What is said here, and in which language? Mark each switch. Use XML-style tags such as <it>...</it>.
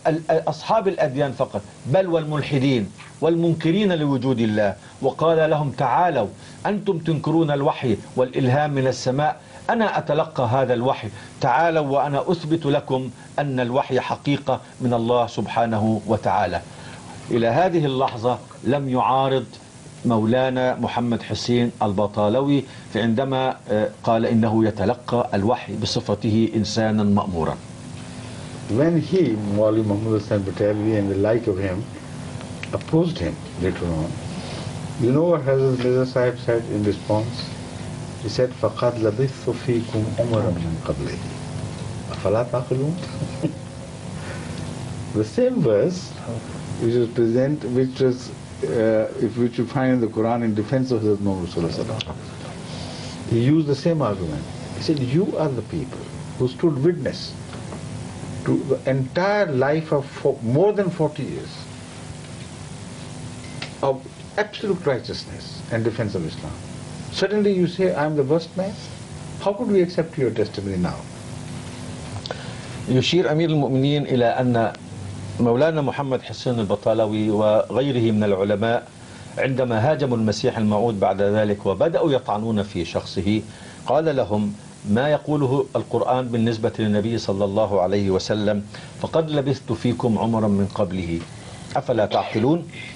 <ar>أصحاب الأديان فقط بل والملحدين والمنكرين لوجود الله، وقال لهم: تعالوا أنتم تنكرون الوحي والإلهام من السماء، أنا أتلقى هذا الوحي، تعالوا وأنا أثبت لكم أن الوحي حقيقة من الله سبحانه وتعالى. إلى هذه اللحظة لم يعارض مولانا محمد حسين البطالوي عندما قال إنه يتلقى الوحي بصفته إنسانا مأمورا.</ar> <en>When he, Mawlvi Muhammad Hussain Bhatali and the like of him opposed him later on, you know what Hazrat Mirza Sahib said in response? He said,</en> <ar>فَقَدْ لَبِثُ فِيكُمْ عُمَرًا مِنْ قَبْلِهِ أَفَلَا تَعْقِلُونَ.</ar> <en>The same verse which is present, which is which you find in the Quran in defense of Hazrat Muhammad Sallallahu Alaihi Wasallam. He used the same argument. He said, you are the people who stood witness to the entire life of more than 40 years of absolute righteousness and defense of Islam. Suddenly you say, I am the worst man? How could we accept your testimony now?</en> <ar>يشير أمير المؤمنين إلى أن مولانا محمد حسين البطالوي وغيره من العلماء عندما هاجموا المسيح الموعود بعد ذلك وبدأوا يطعنون في شخصه، قال لهم ما يقوله القرآن بالنسبة للنبي صلى الله عليه وسلم: فقد لبثت فيكم عمرا من قبله أفلا تعقلون.</ar>